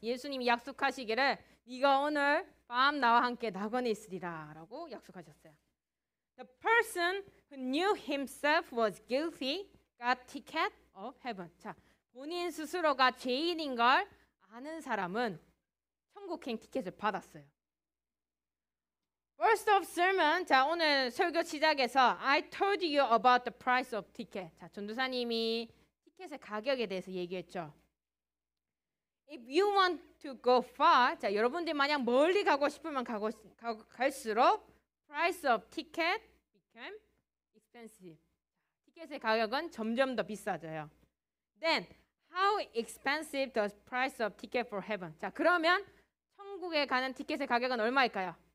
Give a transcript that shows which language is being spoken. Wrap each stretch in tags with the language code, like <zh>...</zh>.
<ko>예수님이 약속하시기를 네가 오늘 밤 나와 함께 낙원에 있으리라 라고 약속하셨어요.</ko> <en>The person who knew himself was guilty got ticket of heaven.</en> <ko>자, 본인 스스로가 죄인인 걸 아는 사람은 천국행 티켓을 받았어요.</ko> <en>First of sermon,</en> <ko>자, 오늘 설교 시작에서</ko> <en>I told you about the price of ticket.</en> <ko>자, 전도사님이 티켓의 가격에 대해서 얘기했죠.</ko> <en>If you want to go far,</en> <ko>자, 여러분들 만약 멀리 가고 싶으면 갈수록</ko> <en>price of ticket became expensive.</en> <ko>티켓의 가격은 점점 더 비싸져요.</ko> <en>Then, how expensive does price of ticket for heaven?</en> <ko>자, 그러면 천국에 가는 티켓의 가격은 얼마일까요?</ko>